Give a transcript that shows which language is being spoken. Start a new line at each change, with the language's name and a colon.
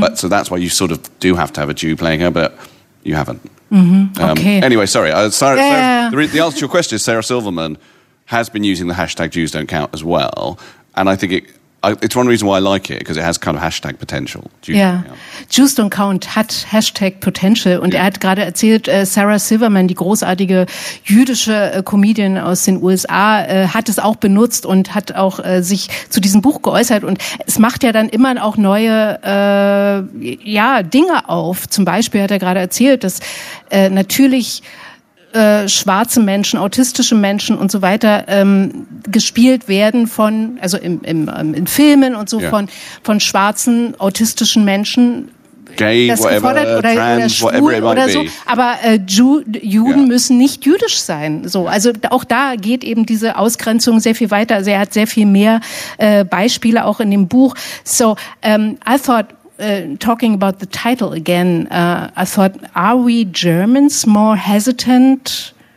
English: But so that's why you sort of do have to have a Jew playing her, but you haven't. Mm-hmm. Okay. Anyway, sorry. The answer to your question is Sarah Silverman has been using the hashtag Jews don't count as well. And I think it's one reason why I like it, because it has kind of hashtag potential. Jews don't count hat hashtag potential.
German: Und er hat gerade erzählt, Sarah Silverman, die großartige jüdische Comedian aus den USA, hat es auch benutzt und hat auch sich zu diesem Buch geäußert. Und es macht ja dann immer auch neue Dinge auf. Zum Beispiel hat er gerade erzählt, dass natürlich schwarze Menschen, autistische Menschen und so weiter gespielt werden von, also in Filmen und so, von schwarzen, autistischen Menschen, gay, das whatever, oder trans, oder
English: whatever it might
German: oder so.
English: Be.
German: Aber Juden müssen nicht jüdisch sein. So, also auch da geht eben diese Ausgrenzung sehr viel weiter. Also er hat sehr viel mehr Beispiele auch in dem Buch.
English: So, I thought, talking about the title again, I thought, are we Germans more hesitant?